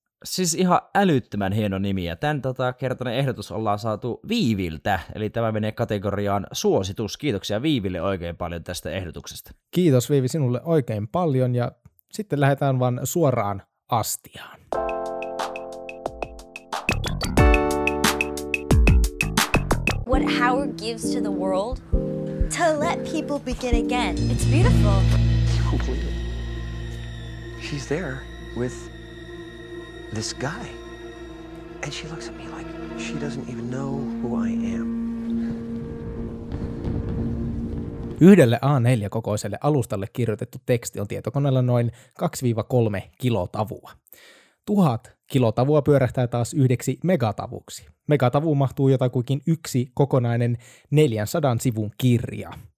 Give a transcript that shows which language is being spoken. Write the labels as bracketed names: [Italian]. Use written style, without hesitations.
[Finnish] Siis ihan älyttömän hieno nimi, ja tämän kertainen ehdotus ollaan saatu Viiviltä, eli tämä menee kategoriaan suositus. Kiitoksia Viiville oikein paljon tästä ehdotuksesta. Kiitos Viivi sinulle oikein paljon, ja sitten lähdetään vaan suoraan astiaan. [English] What Howard gives to the world? To let people begin again. It's beautiful. She's there with this guy. And she looks at me like she doesn't even know who I am. [Finnish] Yhdelle A4-kokoiselle alustalle kirjoitettu teksti on tietokoneella noin 2-3 kilotavua. 1000 kilotavua pyörähtää taas yhdeksi megatavuksi. Megatavu mahtuu jotakuinkin yksi kokonainen 400 sivun kirja.